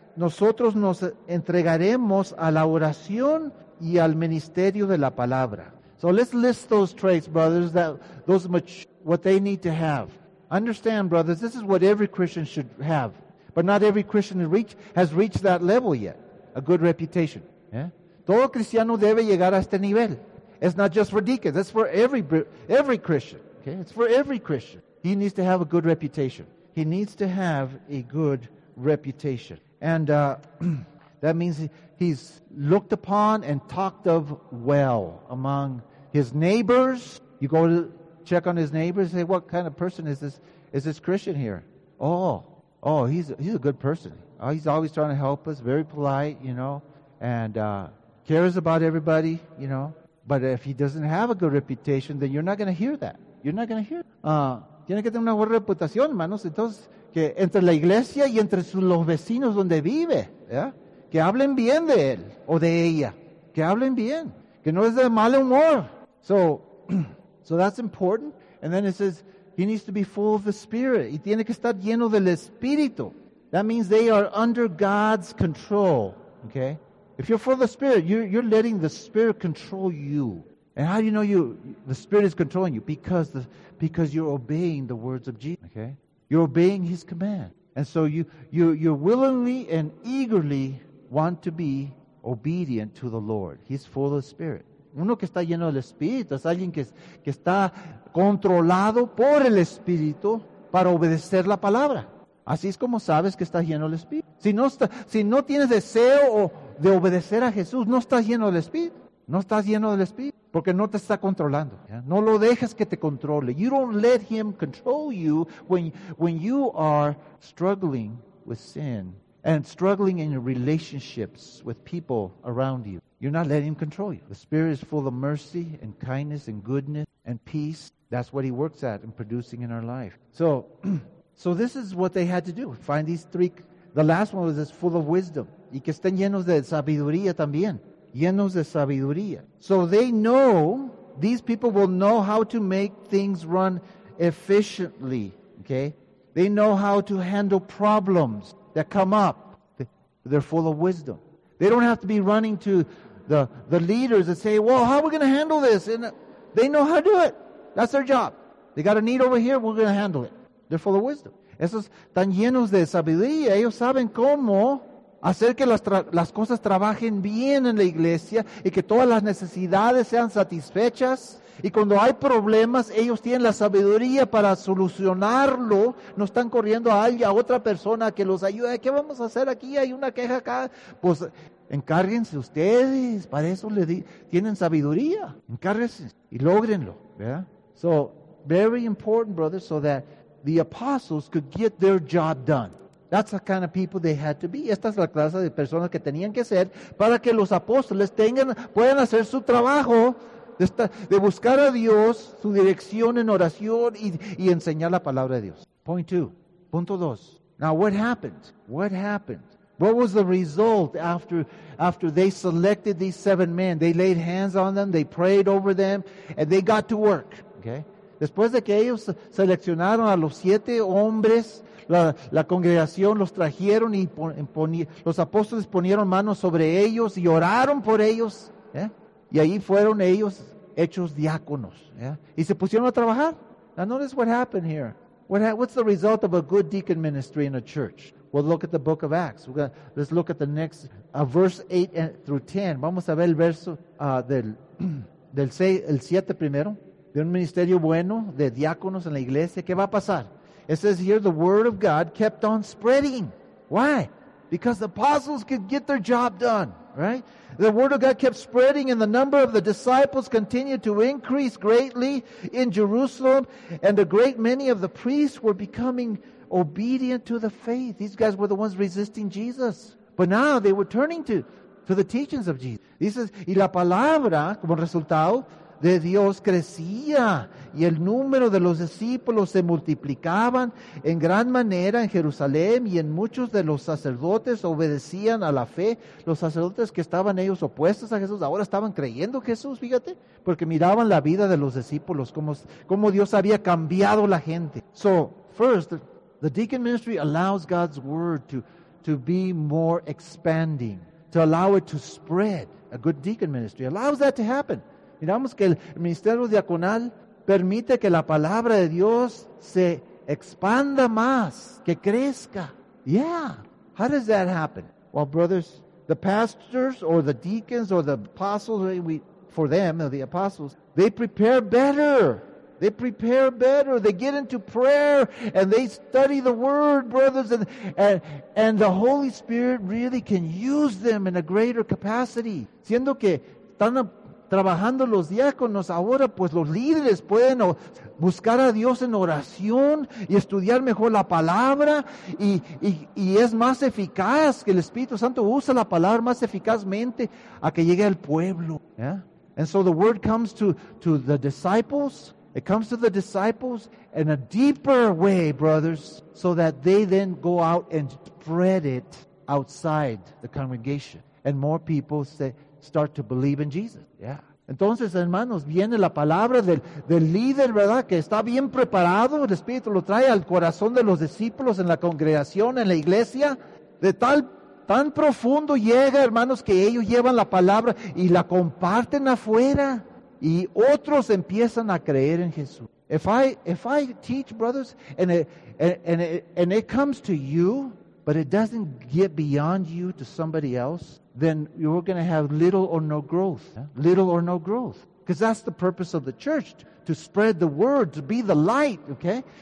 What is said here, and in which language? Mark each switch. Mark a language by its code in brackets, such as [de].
[es] Nosotros nos entregaremos a la oración y al ministerio de la palabra. [en] So let's list those traits, brothers, what they need to have. Understand, brothers, this is what every Christian should have. But not every Christian has reached that level yet, a good reputation. Yeah? [es] Todo cristiano debe llegar a este nivel. [en] It's not just for deacons, it's for every Christian. Okay? It's for every Christian. He needs to have a good reputation. He needs to have a good reputation. And that means he's looked upon and talked of well among his neighbors. You go to check on his neighbors and say, what kind of person is this? Is this Christian here? Oh, he's a good person. Oh, he's always trying to help us, very polite, you know, and cares about everybody, you know. But if he doesn't have a good reputation, then you're not going to hear that. You're not going to hear [es] that. Tiene que tener una buena reputación, hermanos. Entonces, que entre la iglesia y entre los vecinos donde vive, ¿ya? Que hablen bien de él o de ella. Que hablen bien. Que no es de mal humor. [en] So that's important. And then it says, he needs to be full of the Spirit. Y tiene que estar lleno del Espíritu. That means they are under God's control. Okay? If you're full of the Spirit, you're letting the Spirit control you. And how do you know the Spirit is controlling you? Because you're obeying the words of Jesus. Okay? You're obeying His command. And so you're willingly and eagerly want to be obedient to the Lord. He's full of Spirit. [es] Uno que está lleno del Espíritu es alguien que está controlado por el Espíritu para obedecer la palabra. Así es como sabes que estás lleno del Espíritu. Si no tienes deseo de obedecer a Jesús, no estás lleno del Espíritu. No estás lleno del Espíritu porque no te está controlando. No lo dejes que te controle. [en] You don't let Him control you when you are struggling with sin and struggling in your relationships with people around you, you're not letting him control you. The Spirit is full of mercy and kindness and goodness and peace. That's what he works at and producing in our life. So this is what they had to do. Find these three. The last one was this full of wisdom. [es] Y que estén llenos de sabiduría también. Llenos de sabiduría. [en] So they know, these people will know how to make things run efficiently. Okay? They know how to handle problems that come up. They're full of wisdom. They don't have to be running to the leaders and say, well, how are we going to handle this? And they know how to do it. That's their job. They got a need over here, we're going to handle it. They're full of wisdom. [es] Esos están llenos de sabiduría. Ellos saben cómo hacer que las cosas trabajen bien en la iglesia y que todas las necesidades sean satisfechas. Y cuando hay problemas, ellos tienen la sabiduría para solucionarlo. No están corriendo a alguien, a otra persona que los ayude. ¿Qué vamos a hacer aquí? Hay una queja acá. Pues encárguense ustedes. Para eso le di. Tienen sabiduría. Encárguense y logrenlo. Yeah. [en] So, very important, brothers, so that the apostles could get their job done. That's the kind of people they had to be. [es] Esta es la clase de personas que tenían que ser para que los apóstoles puedan hacer su trabajo de buscar a Dios, su dirección en oración y enseñar la palabra de Dios. [en] Point two. [es] Punto dos. [en] Now, what happened? What happened? What was the result after they selected these seven men? They laid hands on them, they prayed over them, and they got to work. Okay? [es] Después de que ellos seleccionaron a los siete hombres, la congregación los trajeron y los apóstoles ponieron manos sobre ellos y oraron por ellos. ¿Eh? Y ahí fueron ellos hechos diáconos. ¿Eh? Y se pusieron a trabajar. [en] Now notice what happened here. What's the result of a good deacon ministry in a church? Well, look at the book of Acts. Let's look at the next verse 8 through 10. [es] Vamos a ver el verso del 6, el 7 primero. De un ministerio bueno, de diáconos en la iglesia. ¿Qué va a pasar? [en] It says here, the word of God kept on spreading. Why? Because the apostles could get their job done, right? The word of God kept spreading and the number of the disciples continued to increase greatly in Jerusalem. And a great many of the priests were becoming obedient to the faith. These guys were the ones resisting Jesus. But now they were turning to the teachings of Jesus. He says, [es] y la palabra, como resultado, de Dios crecía y el número de los discípulos se multiplicaban en gran manera en Jerusalén y en muchos de los sacerdotes obedecían a la fe. Los sacerdotes que estaban ellos opuestos a Jesús ahora estaban creyendo Jesús, fíjate, porque miraban la vida de los discípulos, cómo Dios había cambiado la gente. [en] So, first, the deacon ministry allows God's word to be more expanding, to allow it to spread. A good deacon ministry allows that to happen. [es] Miramos que el ministerio diaconal permite que la palabra de Dios se expanda más, que crezca. [en] Yeah. How does that happen? Well, brothers, the pastors or the deacons or the apostles, the apostles, they prepare better. They prepare better. They get into prayer and they study the word, brothers. And the Holy Spirit really can use them in a greater capacity. [es] Siendo que están trabajando los diáconos, ahora pues los líderes pueden buscar a Dios en oración y estudiar mejor la palabra y es más eficaz que el Espíritu Santo usa la palabra más eficazmente a que llegue al pueblo. [en] Yeah? And so the word comes to the disciples. It comes to the disciples in a deeper way, brothers, so that they then go out and spread it outside the congregation. And more people say, start to believe in Jesus. Yeah. [es] Entonces, hermanos, viene la palabra del líder, ¿verdad? Que está bien preparado. El Espíritu lo trae al corazón de los discípulos en la congregación, en la iglesia. De tan profundo llega, hermanos, que ellos llevan la palabra y la comparten afuera. Y otros empiezan a creer en Jesús. [en] If I teach, brothers, and it comes to you, but it doesn't get beyond you to somebody else, then you're going to have little or no growth. Yeah. Little or no growth. Because that's the purpose of the church, to spread the word, to be the light, okay?